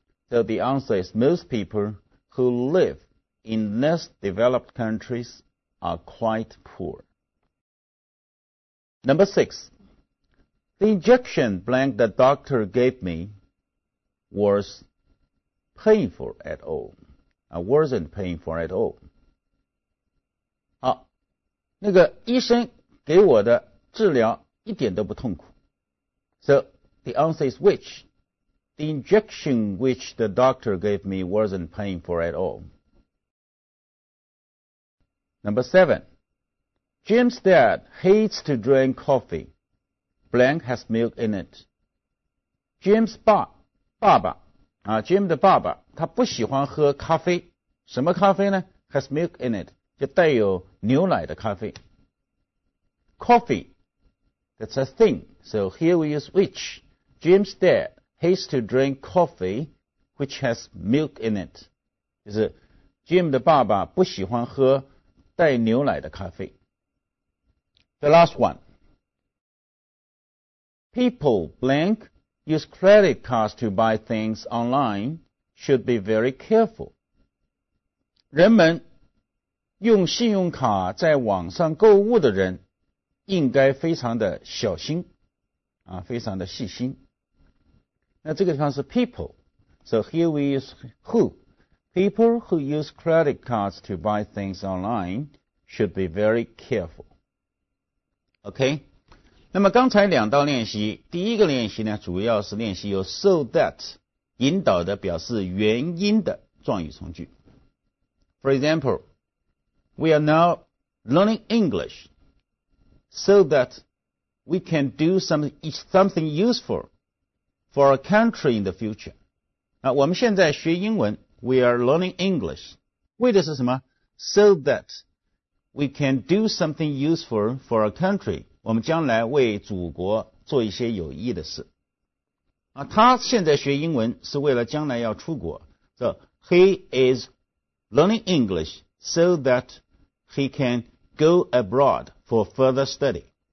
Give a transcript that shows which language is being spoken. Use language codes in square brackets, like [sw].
[en] So the answer is most people who live in less developed countries are quite poor. Number six, the injection blank the doctor gave me was painful at all. I wasn't painful at all. [zh] 好，那个医生给我的治疗一点都不痛苦。 [en] So the answer is which? The injection which the doctor gave me wasn't painful at all. Number seven. Jim's dad hates to drink coffee. Blank has milk in it. [zh] Jim's 爸爸 Jim 的爸爸他不喜欢喝咖啡。什么咖啡呢？ [en] Has milk in it. [zh] 就带有牛奶的咖啡。 [en] Coffee, that's a thing. So here we use which. Jim's dad hates to drink coffee which has milk in it. [zh] 就是 Jim 的爸爸不喜欢喝带牛奶的咖啡。 [en] The last one. People, blank, use credit cards to buy things online should be very careful. [zh] 人们用信用卡在网上购物的人应该非常的小心啊，非常的细心。那这个地方是 [en] people, so here we use who. People who use credit cards to buy things online should be very careful. [zh] OK, 那么刚才两道练习，第一个练习呢，主要是练习由 so that 引导的表示原因的状语从句。 [en] For example, we are now learning English. So that we can do something useful for our country in the future. [zh] 那我们现在学英文 [en] ,we are learning English. [zh] 为的是什么 [en] ?So that we can do something useful for our country. [zh] 我们将来为祖国做一些有益的事。啊，他现在学英文是为了将来要出国。 [en] So he is learning English so that he can go abroad. For further study.